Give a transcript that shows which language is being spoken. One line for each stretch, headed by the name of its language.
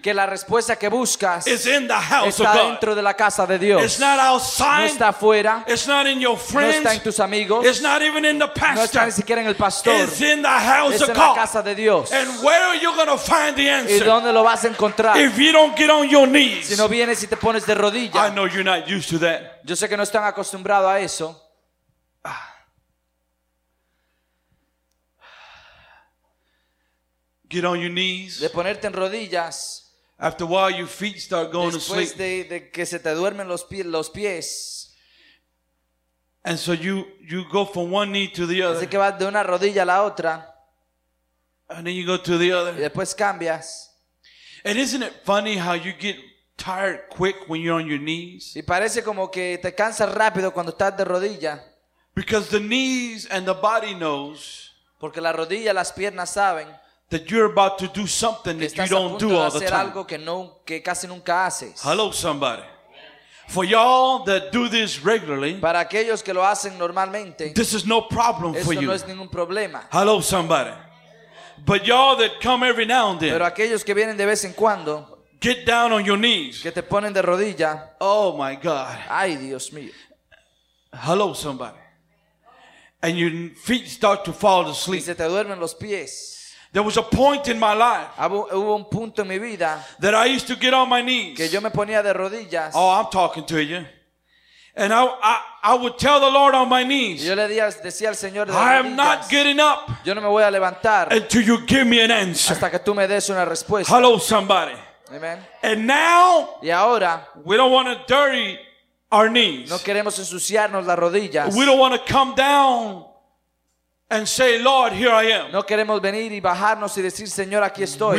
Spanish: que la respuesta que buscas,
English: is in the house
Spanish: está
English: of God.
Spanish: Dentro de la casa de Dios.
English: It's not outside.
Spanish: No está fuera.
English: It's not in your friends.
Spanish: No está en tus amigos.
English: It's not even in the pastor.
Spanish: No está ni siquiera en el pastor.
English: It's in the house
Spanish: es
English: of God.
Spanish: La casa de Dios.
English: And where are you going to find the answer?
Spanish: ¿Y dónde lo vas a encontrar?
English: If you don't get on your knees.
Spanish: Si no vienes y te pones de rodillas.
English: I know you're not used to that.
Spanish: Yo sé que no están acostumbrados a eso.
English: Get on your knees.
Spanish: De ponerte en rodillas.
English: After a while, your feet start going to sleep.
Spanish: Después de que se te duermen los pies.
English: And so you go from one knee to the other.
Spanish: Así que vas de una rodilla a la otra.
English: And then you go to the other.
Spanish: Y después cambias.
English: And isn't it funny how you get tired quick when you're on your knees?
Spanish: Y parece como que te cansas rápido cuando estás de rodilla.
English: Because the knees and the body knows.
Spanish: Porque la rodilla, las piernas saben.
English: That you're about to do something that you don't do all the time.
Spanish: Algo que no, que casi nunca haces.
English: Hello, somebody. For y'all that do this regularly,
Spanish: para aquellos que lo hacen normalmente,
English: this is no problem
Spanish: esto
English: for you.
Spanish: No es ningún problema.
English: Hello, somebody. But y'all that come every now and then,
Spanish: pero aquellos que vienen de vez en cuando,
English: get down on your knees.
Spanish: Que te ponen de rodilla.
English: Oh, my God.
Spanish: Ay, Dios mío.
English: Hello, somebody. And your feet start to fall asleep.
Spanish: Y se te duermen los pies.
English: There was a point in my life
Spanish: hubo un punto en mi vida
English: that I used to get on my knees.
Spanish: Que yo me ponía de rodillas.
English: Oh, I'm talking to you. And I would tell the Lord on my knees.
Spanish: Yo le decía al Señor de
English: rodillas, I am not getting up.
Spanish: Yo no me voy a levantar
English: until you give me an answer.
Spanish: Hasta que tú me des una respuesta.
English: Hello, somebody. Amen. And now
Spanish: y ahora,
English: we don't want to dirty our knees.
Spanish: No queremos ensuciarnos las rodillas.
English: We don't want to come down and say, Lord, here I am.
Spanish: No queremos venir y bajarnos y decir, Señor, aquí estoy.